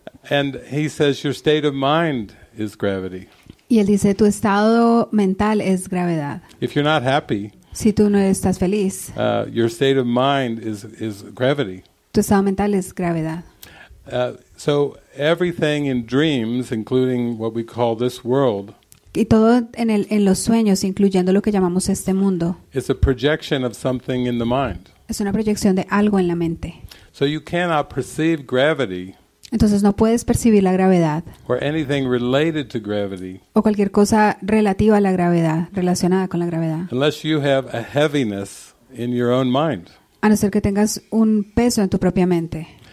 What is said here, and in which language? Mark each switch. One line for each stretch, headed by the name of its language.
English: And he says your state of mind is gravity.
Spanish: Y él dice tu estado mental es gravedad.
English: If you're not happy,
Spanish: si tú no estás feliz,
English: your state of mind is gravity.
Spanish: Tu estado mental es gravedad.
English: So everything in dreams, including what we call this world,
Spanish: y todo en los sueños, incluyendo lo que llamamos este mundo,
English: is a projection of something in the mind.
Spanish: Es una proyección de algo en la mente.
English: So you cannot perceive gravity.
Spanish: Entonces no puedes percibir la gravedad.
English: Or anything related to gravity.
Spanish: O cualquier cosa relativa a la gravedad, relacionada con la gravedad.
English: Unless you have a heaviness in your own mind.
Spanish: A no ser que tengas un peso en tu propia mente.